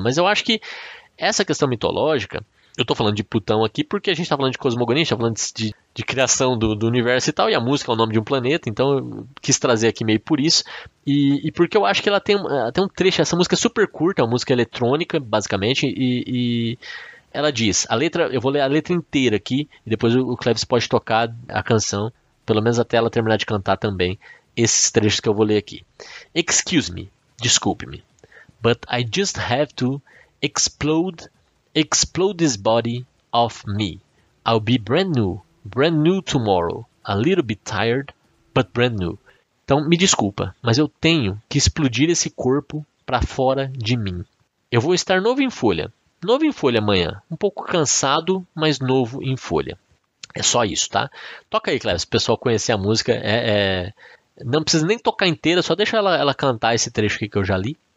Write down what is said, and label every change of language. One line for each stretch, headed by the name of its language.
Portuguese: Mas eu acho que essa questão mitológica, eu tô falando de Plutão aqui porque a gente tá falando de cosmogonia, a gente tá falando de criação do universo e tal, e a música é o nome de um planeta, então eu quis trazer aqui meio por isso, e porque eu acho que ela tem um trecho, essa música é super curta, é uma música eletrônica, basicamente, e ela diz, a letra, eu vou ler a letra inteira aqui, e depois o Cleves pode tocar a canção, pelo menos até ela terminar de cantar também, esses trechos que eu vou ler aqui.
English: Excuse me,
Portuguese: desculpe-me,
English: but I just have to explode this body of me. I'll be brand new tomorrow, a little bit tired, but brand new.
Portuguese: Então, me desculpa, mas eu tenho que explodir esse corpo para fora de mim. Eu vou estar novo em folha amanhã, um pouco cansado, mas novo em folha. É só isso, tá? Toca aí, Cleber, se o pessoal conhecer a música, não precisa nem tocar inteira, só deixa ela cantar esse trecho aqui que eu já li.